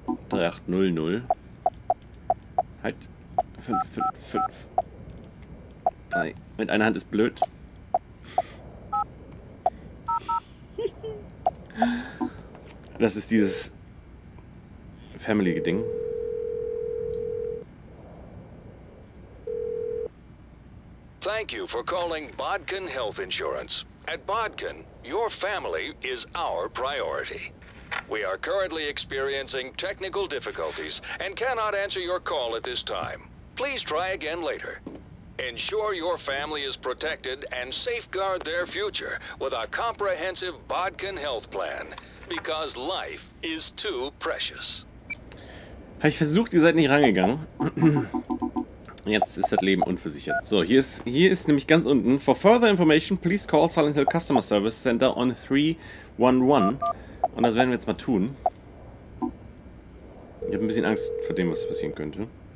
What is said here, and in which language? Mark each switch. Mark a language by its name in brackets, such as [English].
[German] 3800. Halt. 555. 3. Mit einer Hand ist blöd. Das ist dieses Family-Ding. [English] Thank you for calling Bodkin Health Insurance. At Bodkin, your family is our priority. We are currently experiencing technical difficulties and cannot answer your call at this time. Please try again later. Ensure your family is protected and safeguard their future with a comprehensive Bodkin Health Plan. Because life is too precious. [German] Habe ich versucht, ihr seid nicht rangegangen. Jetzt ist das Leben unversichert. So, hier ist nämlich ganz unten. [English] For further information, please call Silent Hill Customer Service Center on 311. [German] Und das werden wir jetzt mal tun. Ich habe ein bisschen Angst vor dem, was passieren könnte.